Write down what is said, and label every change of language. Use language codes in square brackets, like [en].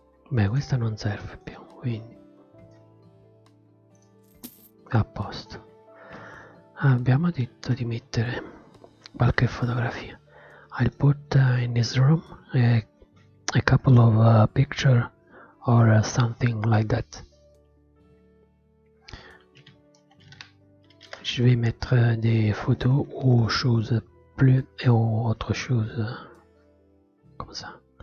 [it] Beh, questa non serve più, quindi a posto. Abbiamo detto di mettere qualche fotografia. [en] I'll put in this room a couple of picture or something like that. [fr] Je vais mettre des photos ou choses plus et ou autre chose comme ça.